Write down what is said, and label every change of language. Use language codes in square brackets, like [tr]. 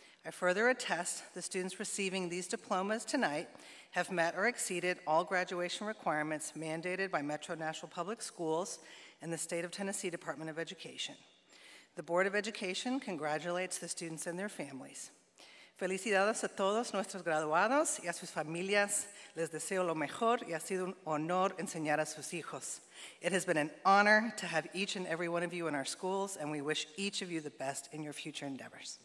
[en] I further attest the students receiving these diplomas tonight have met or exceeded all graduation requirements mandated by Metro Nashville Public Schools and the State of Tennessee Department of Education. The Board of Education congratulates the students and their families. [es] Felicidades a todos nuestros graduados y a sus familias. Les deseo lo mejor y ha sido un honor enseñar a sus hijos. [en] It has been an honor to have each and every one of you in our schools, and we wish each of you the best in your future endeavors.